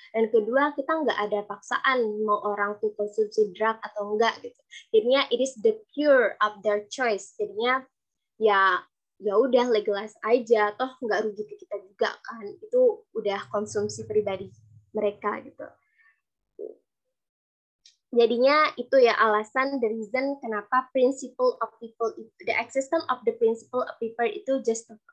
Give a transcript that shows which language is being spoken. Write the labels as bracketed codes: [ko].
[id] Dan kedua, kita nggak ada paksaan mau orang itu konsumsi drug atau enggak gitu. Jadinya [en] it is the cure of their choice. [id] Jadinya ya udah legalize aja, toh nggak rugi ke kita juga kan. Itu udah konsumsi pribadi mereka gitu. Jadinya itu ya alasan, [en] the reason [id] kenapa [en] principle of people, the existence of the principle of people [id] itu just